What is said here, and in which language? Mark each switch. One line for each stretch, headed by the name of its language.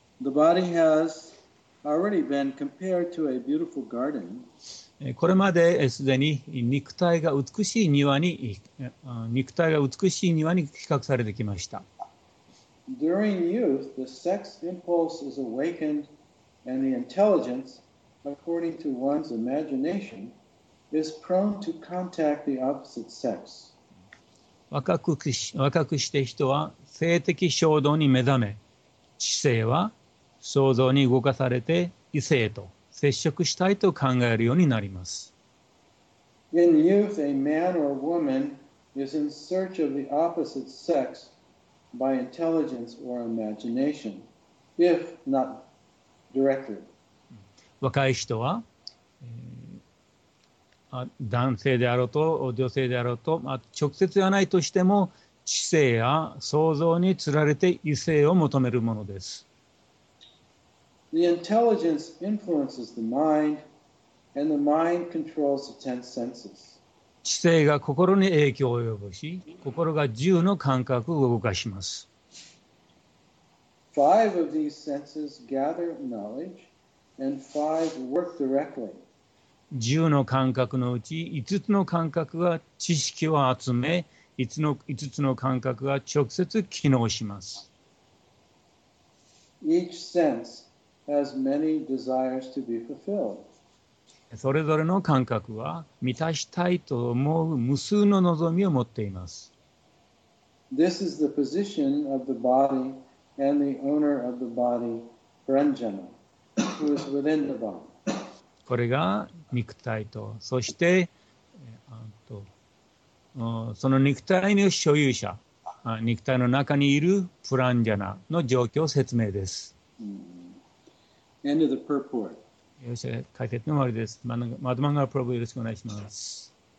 English: The body has already been compared to a beautiful garden.
Japanese: これまですでに肉体が美しい庭に比較されてきました。
English: During youth, the sex impulse is awakened and the intelligence, according to one's imagination,is prone to contact the opposite sex.
Japanese: 若くして人は性的衝動に目覚め、知性は想像に動かされて異性と接触したいと考えるようになります。
English: In youth, a man or woman is in search of the opposite sex by intelligence or imagination, if not directly.
Japanese: 若い人は男性であろうと女性であろうと、直接ではないとしても知性や想像につられて異性を求めるものです。
English: The intelligence influences the mind, and the mind controls the ten senses.
Japanese: 知性が心に影響を及ぼし、心が十の感覚を動かします。
English: Five of these senses gather knowledge, and five work directly.
Japanese: 十の感覚のうち五つの感覚が知識を集め、五つの感覚が直接機能します。
English: Each sense has many desires to be fulfilled.
Japanese: それぞれの感覚は満たしたいと思う無数の望みを持っています。
English: This is the position of the body and the owner of the body, Paranjana, who is within the body.
Japanese: これが肉体と、そしてその肉体の所有者、肉体の中にいるプランジャナの状況説明です。
English: End of the purport.
Japanese: よし、解説の終わりです。マドマンガープロブよろしくお願いします。